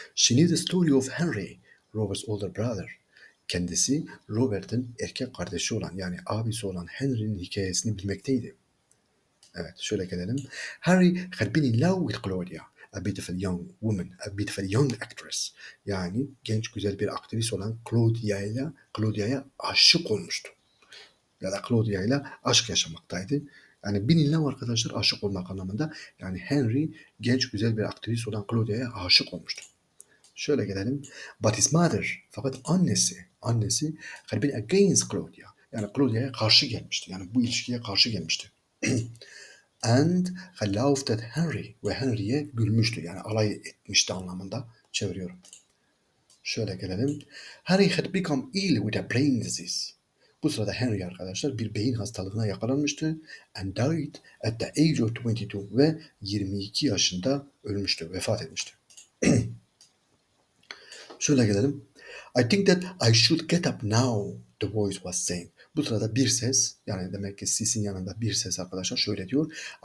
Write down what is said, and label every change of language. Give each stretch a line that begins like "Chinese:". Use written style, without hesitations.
English: She knew the story of Henry, Robert's older brother.
Turkish: Kendisi Robert'in erkek kardeşi olan, yani abisi olan Henry'nin hikayesini bilmekteydi. Evet, şöyle gelelim.
English: Harry had been in love with Gloria. A beautiful young woman, a beautiful young actress.
Turkish: Yani genç güzel bir aktris olan Claudia'ya aşık olmuştu. Ya da Claudia ile aşk yaşamaktaydı. Yani bilinle arkadaşlar, aşık olmak anlamında. Yani Henry genç güzel bir aktris olan Claudia'ya aşık olmuştu. Şöyle gelelim.
English: But his mother,
Turkish: fakat annesi
English: had been against Claudia.
Turkish: Yani Claudia'ya karşı gelmişti. Yani bu ilişkiye karşı gelmişti.
English: And he laughed at Henry,
Turkish: ve Henry'ye gülmüştü, yani alay etmişti anlamında çeviriyorum. Şöyle gelelim.
English: Harry had become ill with a brain disease.
Turkish: Bu sırada Henry arkadaşlar bir beyin hastalığına yakalanmıştı.
English: And died at the age of 22,
Turkish: ve 22 yaşında ölmüştü, vefat etmişti. Şöyle gelelim.
English: I think that I should get up now, the voice was saying.
Turkish: Bu sırada bir ses, yani demek ki sesin yanında bir ses arkadaşlar, şöyle diyor.